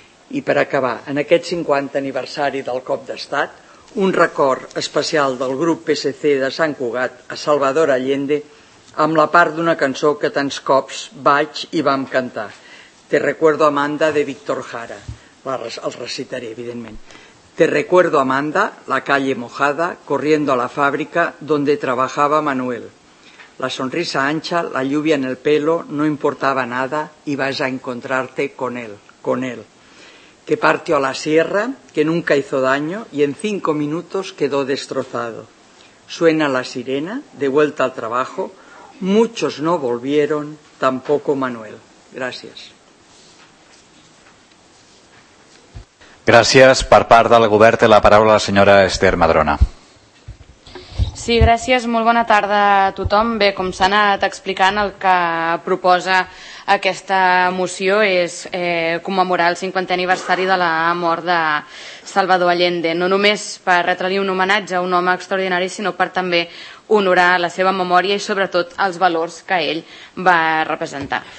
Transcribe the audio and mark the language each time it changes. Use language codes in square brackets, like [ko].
[ca] I per acabar, en aquest 50 aniversari del cop d'estat, un record especial del grup PSC de Sant Cugat a Salvador Allende amb la part d'una cançó que tants cops vaig i vam cantar. Te recuerdo Amanda, de Víctor Jara. Els recitaré, evidentment. [es] Te recuerdo Amanda, la calle mojada, corriendo a la fábrica donde trabajaba Manuel. La sonrisa ancha, la lluvia en el pelo, no importaba nada, ibas a encontrarte con él, con él. Que partió a la sierra, que nunca hizo daño y en 5 minutos quedó destrozado. Suena la sirena, de vuelta al trabajo, muchos no volvieron, tampoco Manuel. Gracias. Gracias. [ca] Per part del govern té la paraula la senyora Esther Madrona. Sí, gràcies. Molt bona tarda a tothom. Bé, com s'ha anat explicant, el que proposa aquesta moció és commemorar el 50è aniversari de la mort de Salvador Allende, no només per retre-li un homenatge a un home extraordinari, sinó per també honorar la seva memòria i sobretot els valors que ell va representar.